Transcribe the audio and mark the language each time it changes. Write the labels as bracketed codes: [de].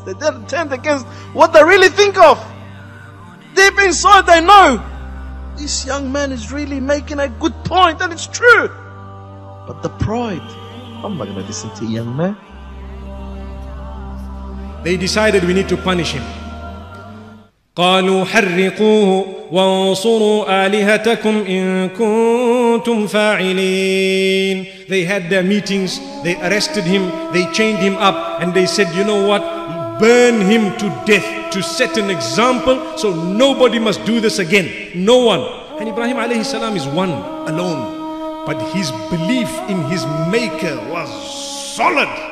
[en] They didn't turn against what they really think of. Deep inside they know, this young man is really making a good point, and it's true. But the pride, I'm not going to listen to a young man. They decided we need to punish him. [ar] قالوا حرقوه وانصروا آلهتكم إن كنتم فاعلين. [en] They had their meetings, they arrested him, they chained him up, and they said, you know what, burn him to death to set an example, so nobody must do this again, no one. And Ibrahim alayhi salam is one alone, but his belief in his maker was solid.